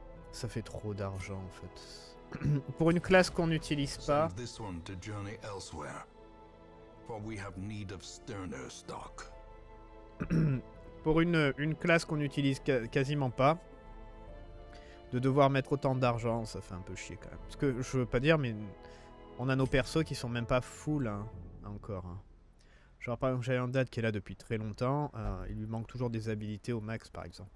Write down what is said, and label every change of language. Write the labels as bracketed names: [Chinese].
[French] Ça fait trop d'argent, en fait. Pour une classe qu'on n'utilise pas. [English] Send this one to journey elsewhere, for we have need of sterner stock. [French] Pour une classe qu'on n'utilise quasiment pas, de devoir mettre autant d'argent, ça fait un peu chier quand même. Parce que je veux pas dire, mais on a nos persos qui sont même pas full, hein, encore. Hein. Genre par exemple, Jayandad qui est là depuis très longtemps, il lui manque toujours des habilités au max, par exemple.